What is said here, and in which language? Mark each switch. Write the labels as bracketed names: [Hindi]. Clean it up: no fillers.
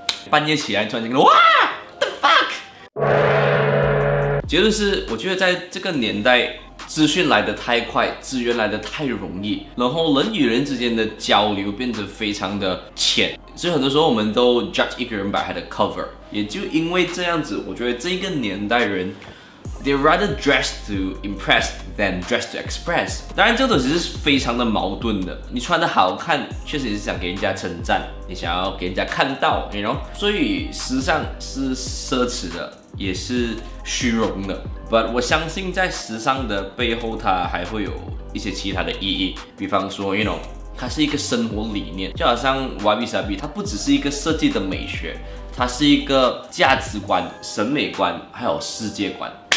[Chinese] 半夜起来穿这个，哇 ， [English] the fuck！ [Chinese] 结论是，我觉得在这个年代。资讯来得太快，资源来得太容易，然后人与人之间的交流变得非常的浅，所以很多时候我们都 judge 一个人 by 他的 cover。也就因为这样子，我觉得这个年代人 [English] they rather dress to impress than dress to express。 [Chinese] 当然这种其实是非常的矛盾的，你穿得好看确实也是想给人家称赞，你想要给人家看到 you know， 所以时尚是奢侈的也是虚荣的。 But 我相信在时尚的背后它还会有一些其他的意义，比方说 you know 它是一个生活理念，就好像 Wabi Sabi 它不只是一个设计的美学，它是一个价值观、审美观还有世界观。